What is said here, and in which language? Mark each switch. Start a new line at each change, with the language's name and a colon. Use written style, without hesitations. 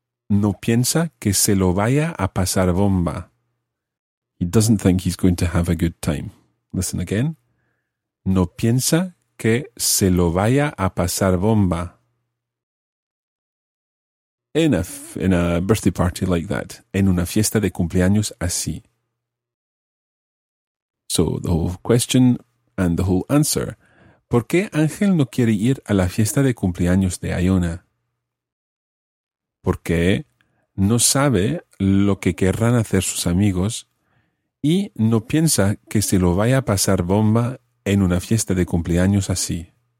Spanish: No piensa que se lo vaya a pasar bomba.
English: He doesn't think he's going to have a good time. Listen again.
Spanish: No piensa que se lo vaya a pasar bomba.
English: In a birthday party like that.
Spanish: En una fiesta de cumpleaños así.
English: So the whole question and the whole answer.
Spanish: ¿Por qué Ángel no quiere ir a la fiesta de cumpleaños de Ayona? Porque no sabe lo que querrán hacer sus amigos y no piensa que se lo vaya a pasar bomba en una fiesta de cumpleaños así.